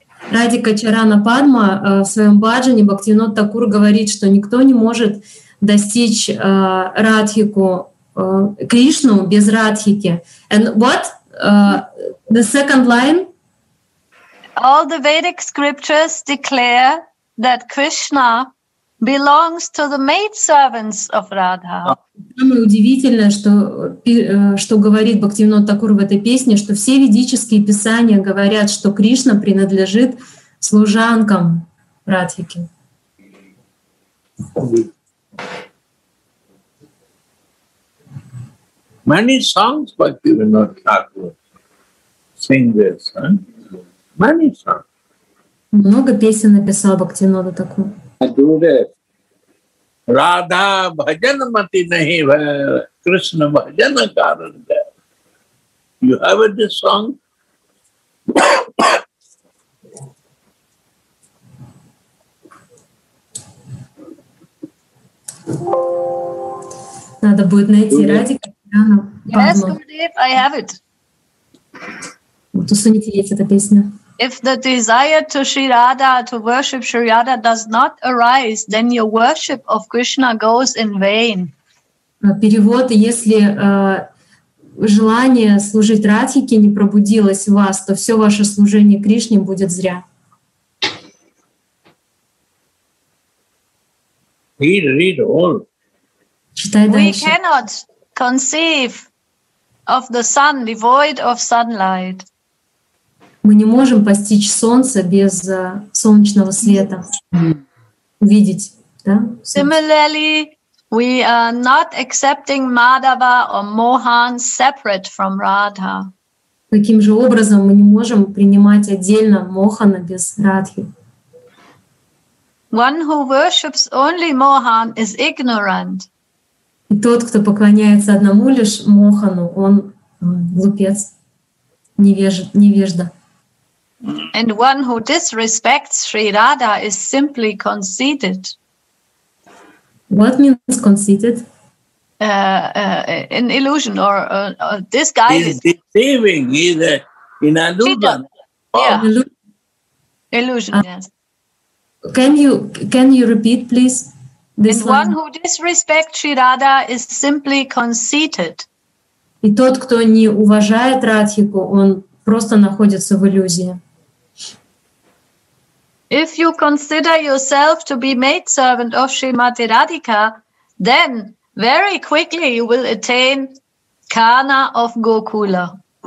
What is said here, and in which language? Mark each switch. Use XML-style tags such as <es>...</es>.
<ru>Радика Чарана Падма в своем баджане Бхактивинода Такур говорит, что никто не может достичь Радхику, Кришну без Радхики.</ru> <en>And what? The second line? All the Vedic scriptures declare that Krishna belongs to the maidservants of Radha.</en> <ru>Самое удивительное, что говорит Бхактивинода Такур в этой песне, что все ведические писания говорят, что Кришна принадлежит служанкам Радхики.</ru> <en>Many songs Bhaktivinoda Thakur sing this. Huh? Many songs.</en> <ru>Много песен написал Бхактивинода Такур.</ru> <bn>Radha bhajan mati nahi Krishna bhajan karan hai.</bn> <en>You have this song?</en> <ru>Надо будет найти Радика.</ru> <en>Yes, Gurudev, I have it.</en> <ru>Вот у Суниты есть эта песня.</ru> <en>If the desire to Sri Radha, to worship Sri Radha does not arise, then your worship of Krishna goes in vain.</en> <ru>Перевод, если желание служить Радхике не пробудилось у вас, то все ваше служение Кришне будет зря.</ru> <en>Read all. We cannot conceive of the sun devoid of sunlight.</en> <ru>Мы не можем постичь солнце без солнечного света. Увидеть, да?</ru> <en>Similarly, we are not accepting Madhava or Mohan separate from Radha.</en> <ru>Таким же образом мы не можем принимать отдельно Мохана без Радхи.</ru> <en>One who worships only Mohan is ignorant.</en> <ru>И тот, кто поклоняется одному лишь Мохану, он глупец, невежда.</ru> <en>And one who disrespects Sri Radha is simply conceited. What means conceited? An illusion or disguise. He's deceiving. He's in illusion. Yeah. Illusion. Yes. Can you repeat, please? This and one who disrespects Sri Radha is simply conceited.</en> <ru>И тот, кто не уважает Радхику, он просто находится в иллюзии.</ru> <en>If you consider yourself to be maidservant of Srimati Radhika, then very quickly you will attain Kana of Gokula.</en>